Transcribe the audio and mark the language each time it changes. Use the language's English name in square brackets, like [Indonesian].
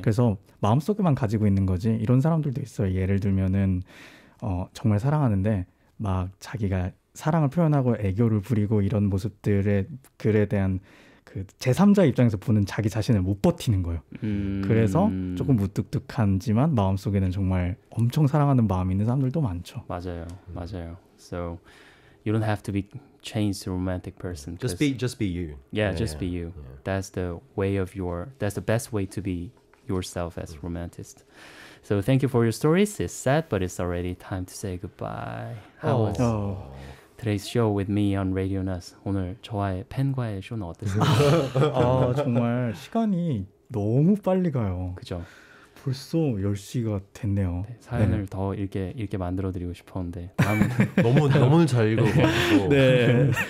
[Korean] 그래서 마음속에만 가지고 있는 거지 이런 사람들도 있어요. 예를 들면은 정말 사랑하는데 막 자기가 사랑을 표현하고 애교를 부리고 이런 모습들에 글에 대한 그 제3자 입장에서 보는 자기 자신을 못 버티는 거예요. 그래서 조금 무뚝뚝하지만 마음속에는 정말 엄청 사랑하는 마음이 있는 사람들도 많죠. 맞아요. 맞아요. [English] So you don't have to be changed to a romantic person. Just be you. Yeah, yeah just yeah, be you. Yeah. That's the way of your that's the best way to be yourself as a romanticist. So thank you for your stories. It's sad, but it's already time to say goodbye. How was Today's show with me on Radio Nas. [Korean] 오늘 저와의 팬과의 쇼는 어땠어요? 아 정말 시간이 너무 빨리 가요. 그죠? 벌써 10시가 됐네요. 네, 사연을 네. 더 읽게 만들어드리고 싶었는데 너무 너무 잘 읽어가지고 네.